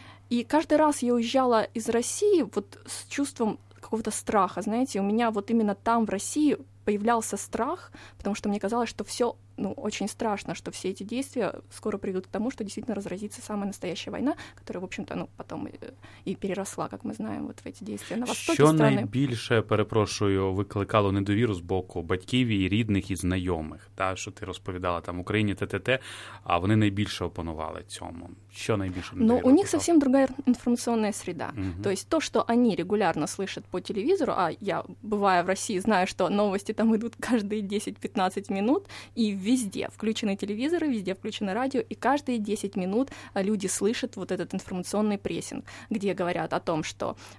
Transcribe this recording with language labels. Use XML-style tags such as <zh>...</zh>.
<ru>И каждый раз я уезжала из России вот с чувством какого-то страха, знаете, у меня вот именно там, в России, появлялся страх, потому что мне казалось, что все, ну, очень страшно, что все эти действия скоро приведут к тому, что действительно разразится самая настоящая война, которая, в общем-то, ну, потом и переросла, как мы знаем, вот в эти действия на востоке страны.</ru> <uk>Что найбільше, перепрошую, викликало недовіру з боку батьків і рідних, і знайомих, та, що ти розповідала там в Україні, т.т.т., а вони найбільше опанували цьому? Що найбільше недовіру?</uk> <ru>Ну, у них совсем другая информационная среда. Угу. То есть то, что они регулярно слышат по телевизору, а я, бывая в России, знаю, что новости там идут каждые 10-15 минут, и везде включены телевизоры, везде включено радио, и каждые 10 минут люди слышат вот этот информационный прессинг, где говорят о том, что,</ru>